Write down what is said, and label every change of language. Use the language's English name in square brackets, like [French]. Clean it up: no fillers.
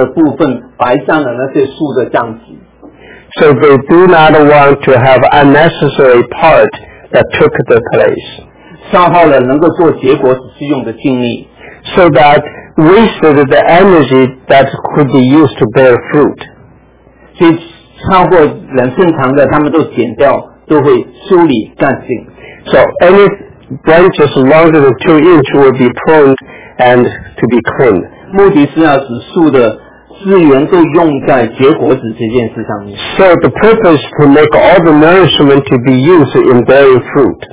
[Chinese] 因为这样避免不必要的部分白占了那些树的样子。 [English] So they do not want to have unnecessary part that took the place. [Chinese] 消耗了能够做结果使用的精力, [English] so that wasted the energy that could be used to bear fruit. [Chinese] 所以超过两寸长的，他们都剪掉，都会修理干净。 [English] So any branches longer than 2 inches will be pruned and to be cleaned. [Chinese] 目的是要使树的资源都用在结果子这件事上面。 [English] So the purpose to make all the nourishment to be used in bearing fruit.